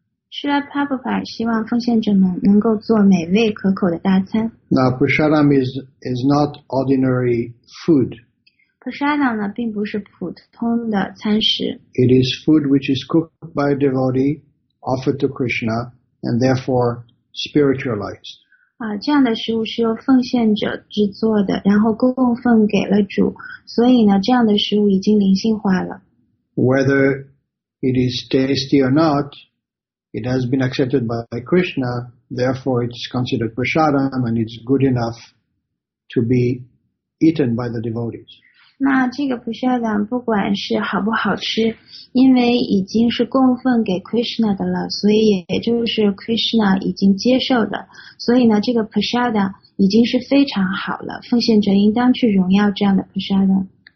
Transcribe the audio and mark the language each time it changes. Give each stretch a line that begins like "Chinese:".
Chinese: Sri Prabhupada 希望奉献者们能够做美味可口的大餐。
English: Now, prasadam is not ordinary food.
Chinese: Prasadam 呢并不是普通的餐食。
English: It is food which is cooked by a devotee, offered to Krishna, and therefore spiritualized.
Chinese: 这样的食物是由奉献者制作的，然后供奉给了主，所以呢，这样的食物已经灵性化了。
English: Whether it is tasty or not,It has been accepted by Krishna, therefore it's considered prasadam and it's good enough to be eaten by the devotees.
Chinese: 那这个 prasadam 不管是好不好吃，因为已经是供奉给 Krishna 的了，所以也就是 Krishna 已经接受的，所以呢，这个 prasadam 已经是非常好了，奉献者应当去荣耀这样的 prasadam.